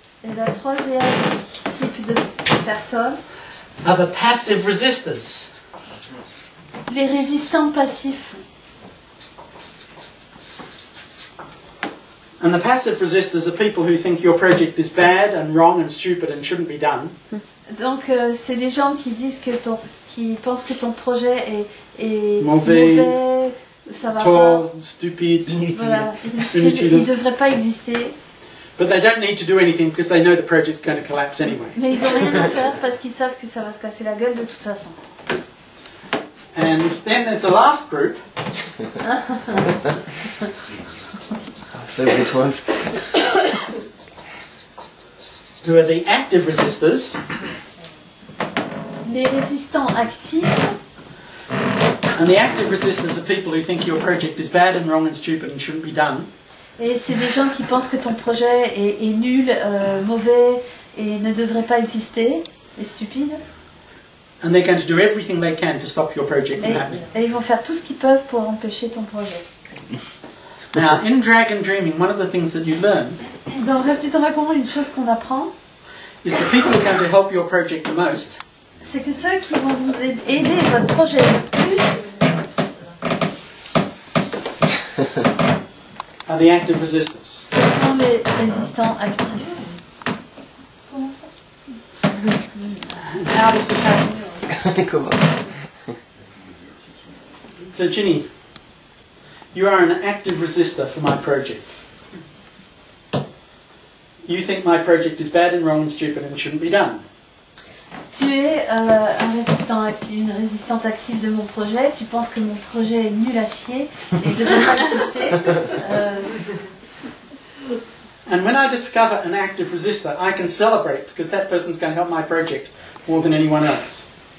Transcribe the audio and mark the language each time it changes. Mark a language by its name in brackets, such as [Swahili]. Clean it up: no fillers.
[French] Et la troisième type de personne. [English] Are the passive resistors. [French] Les résistants passifs. [English] And the passive resistors are people who think your project is bad and wrong and stupid and shouldn't be done. [French] Donc c'est des gens qui disent que ton qui pensent que ton projet est mauvais, ça va [English] tall, [French] pas, [English] stupid, [French] inutile. Voilà. Il devrait pas exister. [English] But they don't need to do anything because they know the project is going to collapse anyway. [French] Mais ils ont rien à faire parce qu'ils savent que ça va se casser la gueule de toute façon. [English] And then there's the last group. Who are the active resistors? [French] Les résistants actifs. [English] And the active resistors are people who think your project is bad and wrong and stupid and shouldn't be done. [French] Et c'est des gens qui pensent que ton projet est nul, mauvais et ne devrait pas exister, est stupide. [English] And they're going to do everything they can to stop your project from happening. [French] Et ils vont faire tout ce qu'ils peuvent pour empêcher ton projet. [English] Now, in Dragon Dreaming, one of the things that you learn. [French] Dans Rêve du Dragon, une chose qu'on apprend. [English] Is the people who are going to help your project the most. [French] C'est que ceux qui vont vous aider votre projet le plus. [English] Are the active resistors. [French] Ce sont les résistants actifs. [English] How does this happen? Virginie, you are an active resistor for my project. You think my project is bad and wrong and stupid and shouldn't be done. [French] Tu es un résistant actif, une résistante active de mon projet. Tu penses que mon projet est nul à chier et devrait pas exister. [English] And when I discover an active resistor, I can celebrate because that person's going to help my project more than anyone else.